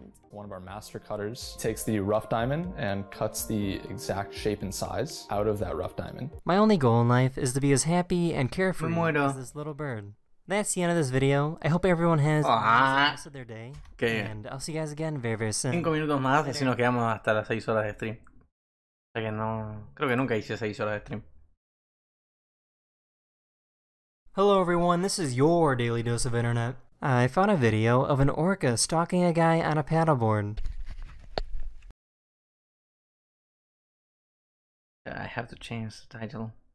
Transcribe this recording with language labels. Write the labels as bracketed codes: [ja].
[en] One of our master cutters takes the rough diamond and cuts the exact shape and size out of that rough diamond. My only goal in life is to be as happy and carefree as this little bird. That's the end of this video. I hope everyone has the rest of their day. Okay. And I'll see you guys again very, very soon. [es] 5 minutos más y si nos quedamos hasta las 6 horas de stream. O sea que no... Creo que nunca hice 6 horas de stream. [en] Hello everyone, this is your daily dose of internet. I found a video of an orca stalking a guy on a paddleboard. I have to change the title.